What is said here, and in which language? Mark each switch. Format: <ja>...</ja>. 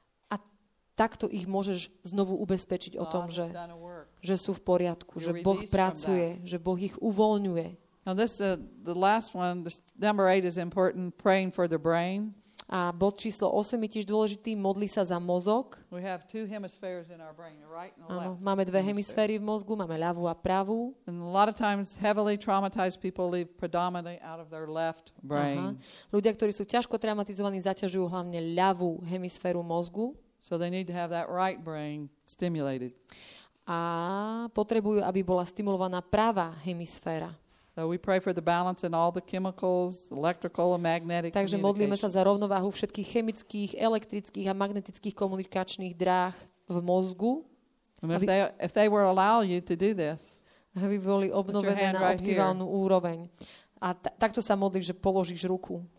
<sk>A takto ich môžeš znovu ubezpečiť o tom, že sú v poriadku, že Boh pracuje, že Boh ich uvoľňuje.</sk> <en>Now this the last one, this number 8 is important, praying for the brain.</en> <sk>A bod číslo 8 je tiež dôležitý, modli sa za mozog.</sk> <en>We have two hemispheres in our brain, right and left.</en> <sk>Áno, máme dve hemisféry v mozgu, máme ľavú a pravú.</sk> <en>And a lot of times heavily traumatized people live predominantly out of their left brain.</en> <sk>Ľudia, ktorí sú ťažko traumatizovaní, zaťažujú hlavne ľavú hemisféru mozgu.</sk> <en>So they need to have that right brain stimulated.</en> <sk>A potrebujú, aby bola stimulovaná pravá hemisféra.</sk> <en>So we pray for the balance in all the chemicals, electrical and magnetic.</en> <sk>Takže modlíme sa za rovnováhu všetkých chemických, elektrických a magnetických komunikačných dráh v mozgu.</sk> <en>If they were allow you to do this.</en> <sk>Aby boli obnovené na optimálnu úroveň. A takto sa modlíš, že položíš ruku.</sk>